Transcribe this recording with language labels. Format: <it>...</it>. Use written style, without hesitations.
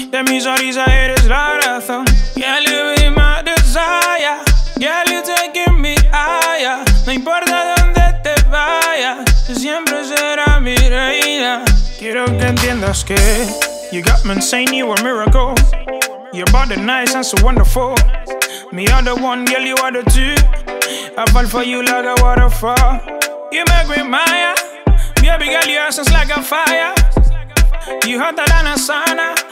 <es>De mi sonrisa eres la razón.</es> <en>Girl, you be my desire. Girl, you taking me higher.</en> <es>No importa dónde te vayas, siempre será mi reina. Quiero que entiendas que</es> <en>you got me insane, you a miracle. Your body nice and so wonderful. Me are the one, girl, you are the two. I fall for you like a waterfall. You make me Maya. Baby girl, your essence like a fire. You hotter than a sauna.</en>